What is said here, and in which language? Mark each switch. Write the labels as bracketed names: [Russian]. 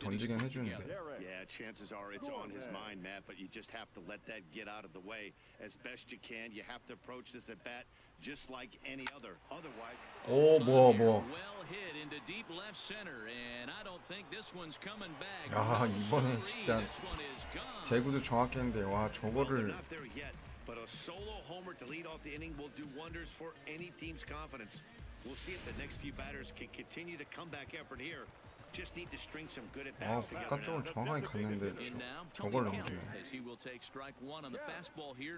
[English] Yeah, chances are it's on his mind, Matt, but you just have to let that get out of the way as best you can. You have to approach this at bat just like any other. Otherwise, well hit into deep left center, and I don't think this one's coming back. [Korean] 야, 이번엔 진짜 제구도 정확했는데, 와, 저거를. [English] But a solo homer to lead off the inning will do wonders for any team's confidence. We'll see if the next few batters can continue the comeback effort here. Just need to string some good at-bats together. In now, Tony Kemp, as he will take strike one on the fastball here.